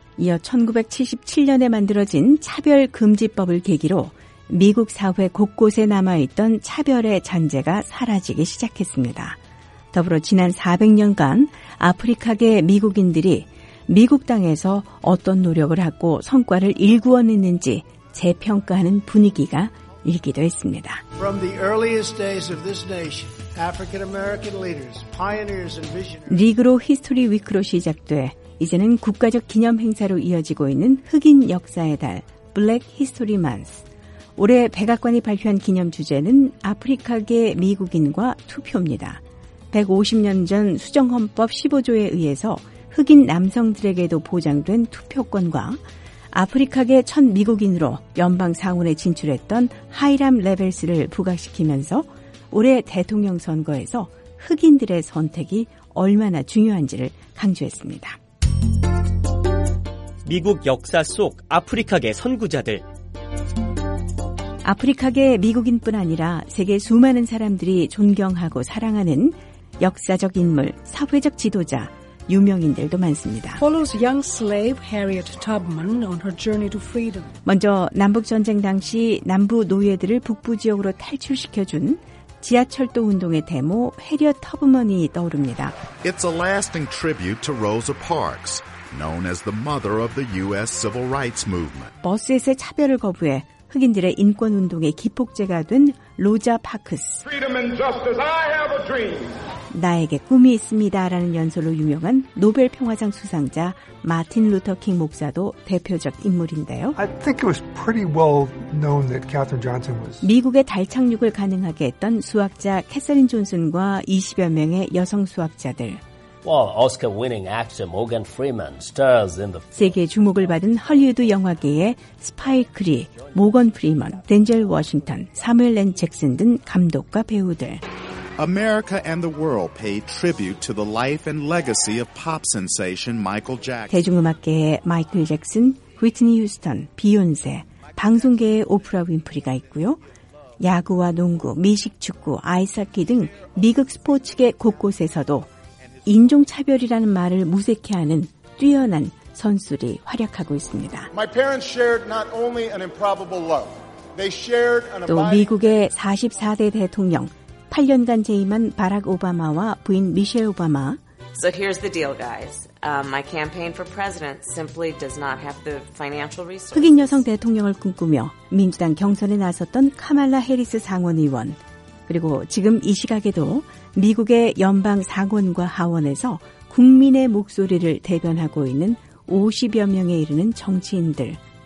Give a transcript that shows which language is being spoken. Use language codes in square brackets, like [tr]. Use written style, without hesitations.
[ko] 이어 1977년에 만들어진 차별금지법을 계기로 미국 사회 곳곳에 남아있던 차별의 잔재가 사라지기 시작했습니다. 더불어 지난 400년간 아프리카계 미국인들이 미국 땅에서 어떤 노력을 하고 성과를 일구어냈는지 재평가하는 분위기가 일기도 했습니다. [en] From the earliest days of this nation, African-American leaders, pioneers and visionaries. [ko] 니그로 히스토리 위크로 시작돼 이제는 국가적 기념 행사로 이어지고 있는 흑인 역사의 달, Black History Month. 올해 백악관이 발표한 기념 주제는 아프리카계 미국인과 투표입니다. 150년 전 수정헌법 15조에 의해서 흑인 남성들에게도 보장된 투표권과 아프리카계 첫 미국인으로 연방 상원에 진출했던 하이람 레벨스를 부각시키면서 올해 대통령 선거에서 흑인들의 선택이 얼마나 중요한지를 강조했습니다. 미국 역사 속 아프리카계 선구자들. 아프리카계 미국인뿐 아니라 세계 수많은 사람들이 존경하고 사랑하는 역사적 인물, 사회적 지도자, 유명인들도 많습니다. [en] Follows young slave Harriet Tubman on her journey to freedom. [ko] 먼저 남북전쟁 당시 남부 노예들을 북부지역으로 탈출시켜준 지하철도 운동의 대모 해리엇 터브먼이 떠오릅니다. [en] It's a lasting tribute to Rosa Parks, known as the mother of the U.S. civil rights movement. [ko] 버스에서의 차별을 거부해 흑인들의 인권운동의 기폭제가 된 로자 파크스. [en] Freedom and justice, I have a dream. [ko] 나에게 꿈이 있습니다라는 연설로 유명한 노벨 평화상 수상자 마틴 루터 킹 목사도 대표적 인물인데요. [en] I think it was pretty well known that Katherine Johnson was [ko] 미국의 달 착륙을 가능하게 했던 수학자 캐서린 존슨과 20여 명의 여성 수학자들. [en] Well, Oscar-winning actor Morgan Freeman stars in the [ko] 세계 주목을 받은 할리우드 영화계의 스파이크 리, 모건 프리먼, 덴젤 워싱턴, 사무엘 앤 잭슨 등 감독과 배우들. [en] America and the world pay tribute to the life and legacy of pop sensation Michael Jackson. [ko] 대중음악계의 마이클 잭슨, 휘트니 휴스턴, 비욘세, 방송계의 오프라 윈프리가 있고요. 야구와 농구, 미식축구, 아이스하키 등 미국 스포츠계 곳곳에서도 인종차별이라는 말을 무색해하는 뛰어난 선수들이 활약하고 있습니다. [en] My parents shared not only an improbable love, they shared an [ko] 또 미국의 44대 대통령, 8년간 재임한 바락 오바마와 부인 미셸 오바마. [en] So here's the deal, guys. My campaign for president simply does not have the financial resources. [ko] 흑인 여성 대통령을 꿈꾸며 민주당 경선에 나섰던 카말라 해리스 상원의원. 그리고 지금 이 시각에도 미국의 연방 상원과 하원에서 국민의 목소리를 대변하고 있는 50여 명에 이르는 정치인들.